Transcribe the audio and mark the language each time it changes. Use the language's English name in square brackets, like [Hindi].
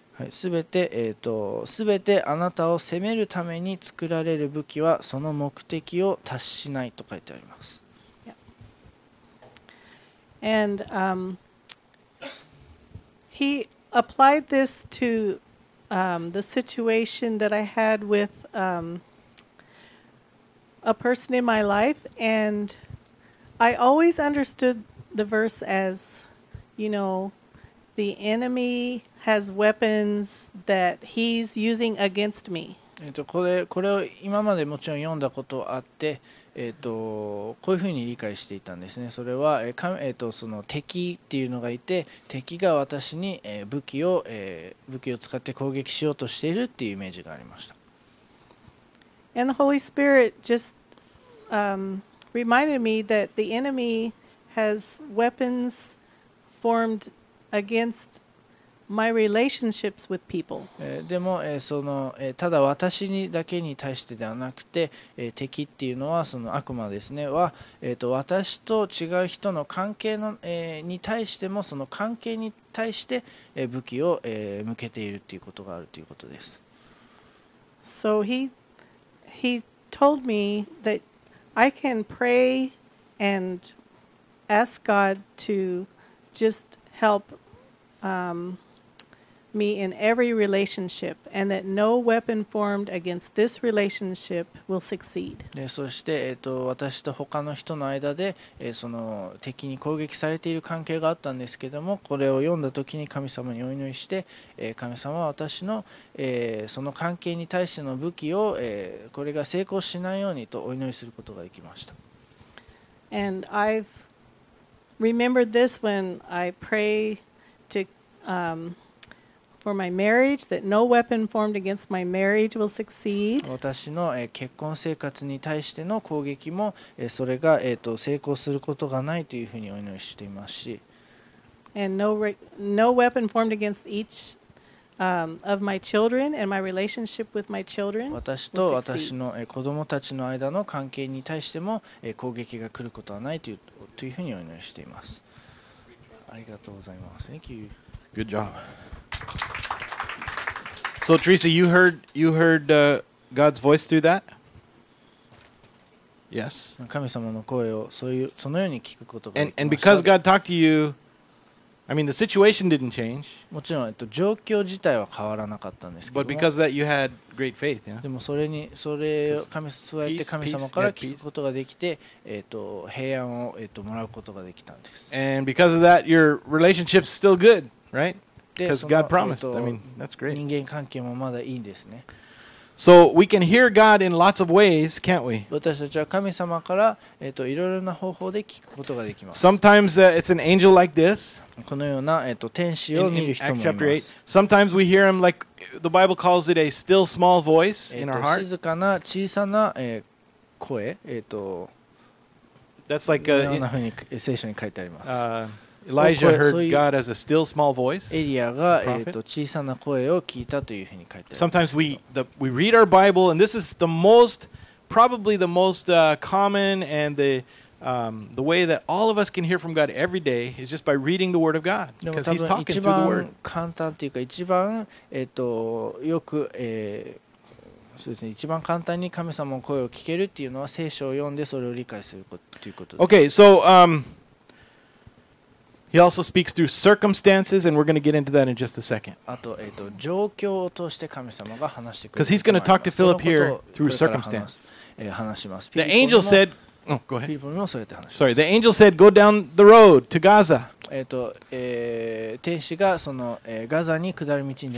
[Japanese] すべてあなたを責めるために作られる武器はその目的を達しないと書いてあります。 [English] Yeah. And he applied this to the situation that I had with a person in my life, and I always understood the verse as, you know, the enemy has weapons that he's using against me. [Japanese] これを今までもちろん読んだことあって、こういうふうに理解していたんですね。それは、その敵っていうのがいて、敵が私に、武器を使って攻撃しようとしているっていうイメージがありました。 [English] And the Holy Spirit just reminded me that the enemy has weapons formed against my relationships with people. [Japanese] でも、その、ただ私にだけに対してではなくて、敵っていうのはその悪魔ですねは、私と違う人の関係の、に対してもその関係に対して、武器を、向けているっていうことがあるということです。 [English] So he told me that I can pray and ask God to just help me in every relationship, and that no weapon formed against this relationship will succeed. [Japanese] そして、私と他の人の間で、その敵に攻撃されている関係があったんですけども、これを読んだ時に神様にお祈りして、神様は私の、その関係に対しての武器を、これが成功しないようにとお祈りすることができました。 [English] And I've remembered this when I pray to for my marriage, that no weapon formed against my marriage will succeed. [Japanese] 私の結婚生活に対しての攻撃も、それが、成功することがないというふうにお祈りしていますし。 [English] And no weapon formed against each of my children and my relationship with my children will succeed. [Japanese] 私と私の子供たちの間の関係に対しても、攻撃が来ることはないというふうにお祈りしています。ありがとうございます。 [English] Thank you. Good job. So Teresa, you heard God's voice through that? Yes. [Japanese] 神様の声をそのように聞くことができました。 [English] And because God talked to you, I mean the situation didn't change. [Japanese] もちろん状況自体は変わらなかったんですけども。 [English] But because that you had great faith, yeah? [Japanese] でもそれを神そうやって神様から聞くことができて、平安をもらうことができたんです。 [English] And because of that, your relationship's still good, right? Because God promised. I mean, that's great. [Japanese] 人間関係もまだいいんですね。 [English] So we can hear God in lots of ways, can't we? [Japanese] 私たちは神様から、いろいろな方法で聞くことができます。 [English] Sometimes it's an angel like this. [Japanese] このような、天使を見る人もいます。 [English] Acts chapter 8. Sometimes we hear him like the Bible calls it a still small voice in our heart. [Japanese] 静かな小さな、声、 [English] That's like a, [Japanese] ようなふうに聖書に書いてあります。 [English] Elijah heard God as a still small voice. [Japanese] エリアが小さな声を聞いたというふうに書いてある。 [English] Sometimes we read our Bible, and this is the most probably the most common and the way that all of us can hear from God every day is just by reading the Word of God, because He's talking through the Word. [Japanese] 一番簡単というか一番よく、そうですね、一番簡単に神様の声を聞けるっていうのは聖書を読んでそれを理解することということです。 [English] Okay, so He also speaks through circumstances, and we're going to get into that in just a second. [Japanese] あと、状況を通して神様が話してくれる。 [English] Because he's going to talk to Philip here through circumstance. [Japanese] 話します。 [English] The angel said, "Oh, go ahead." [Japanese] ピーポルもそうやって話します。 [English] Sorry, the angel said, "Go down the road to Gaza." [Japanese] 天使がそのガザに下る道に。